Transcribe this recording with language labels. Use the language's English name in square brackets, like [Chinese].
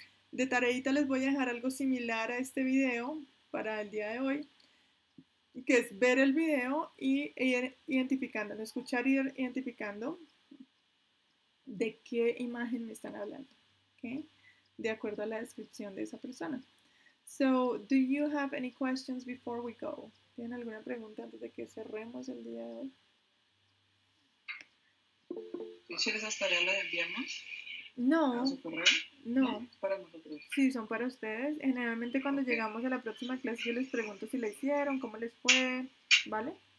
[Spanish] De tareita les voy a dejar algo similar a este video para el día de hoy, que es ver el video y ir identificando, escuchar y ir identificando de qué imagen me están hablando, okay? De acuerdo a la descripción de esa persona. [English] So, do you have any questions before we go? [Spanish] ¿Tienen alguna pregunta antes de que cerremos el día de hoy? ¿Son esas tareas las enviamos? No. ¿Para su correo? No. ¿Para nosotros? Sí, son para ustedes. Generalmente cuando okay. Llegamos a la próxima clase yo les pregunto si la hicieron, cómo les fue, ¿vale?